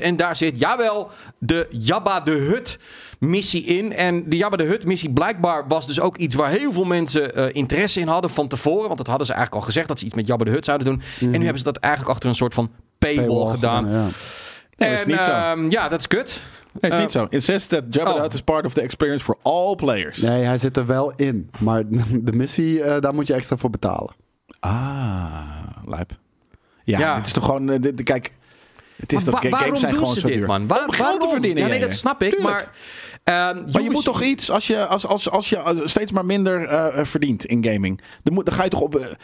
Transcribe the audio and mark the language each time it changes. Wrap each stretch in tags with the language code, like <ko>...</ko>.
<nl>En daar zit, jawel, de Jabba de Hutt missie in. En de Jabba de Hutt missie blijkbaar was dus ook iets waar heel veel mensen interesse in hadden van tevoren. Want dat hadden ze eigenlijk al gezegd, dat ze iets met Jabba de Hutt zouden doen. Mm-hmm. En nu hebben ze dat eigenlijk achter een soort van paywall gedaan. Dat is kut. Nee, is niet zo.</nl> <en>Insist that Jabba the Hutt is part of the experience for all players.</en> <nl>Nee, hij zit er wel in. Maar de missie, daar moet je extra voor betalen. Ah, lijp. Ja, het is toch gewoon... kijk, het is maar dat games zijn gewoon zo duur. Waarom doen ze dit, man? Om geld te verdienen. Ja, nee, dat snap ik. Tuurlijk. Maar je moet toch iets... Als je steeds maar minder verdient in gaming... Dan ga je toch op...</nl>